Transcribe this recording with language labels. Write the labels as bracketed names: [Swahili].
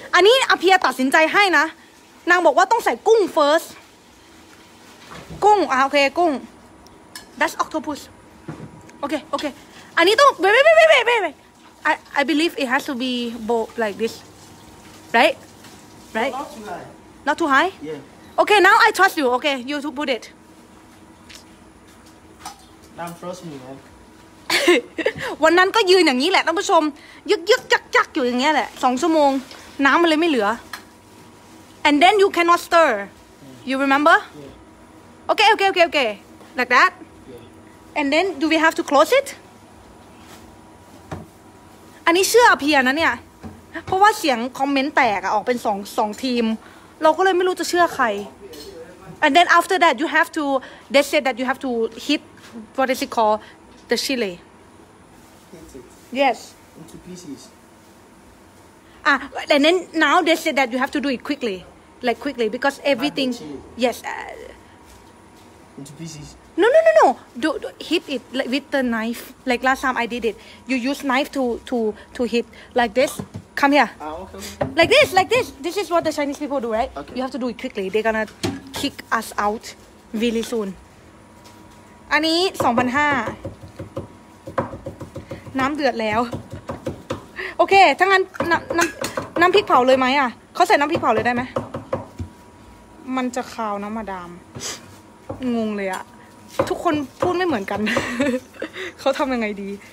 [Thai] อันนี้อภิยาตัดสินใจให้นะนางบอกว่าต้องใส่กุ้ง first. [English] กุ้ง okay, กุ้ง That's octopus. [Thai] Okay. อันนี้ต้อง wait. [English] I believe it has to be bold like this. Right? Not too high? Yeah. Okay, now I trust you. Okay, you to put it. Now trust me, man. [Thai] วันนั้นก็ยืนอย่างนี้แหละท่านผู้ชมยึกยึกจักจักอยู่อย่างเงี้ยแหละสองชั่วโมงน้ำมันเลยไม่เหลือ [English] and then you cannot stir. You remember? Okay. Like that. And then do we have to close it? [Thai] อันนี้เชื่อพี่นะเนี่ยเพราะว่าเสียงคอมเมนต์แตกออกเป็นสองทีมเราก็เลยไม่รู้จะเชื่อใคร [English] and then after that you have to they said that you have to hit what is it called the chili hit it yes into pieces and then now they said that you have to do it quickly because everything yes into pieces no do hit it like with the knife like last time I did it you use knife to hit like thisCome here. Okay. Like this. This is what the Chinese people do, right? Okay. You have to do it quickly. They're gonna kick us out really soon. [Thai] อันนี้ 2,500 น้ำเดือดแล้ว โอเคถ้างั้นน้ำพริกเผาเลยไหมอ่ะเขาใส่น้ำพริกเผาเลยได้ไหมมันจะคาวนะมาดามงงเลยอ่ะทุกคนพูดไม่เหมือนกัน เขาทำยังไงดี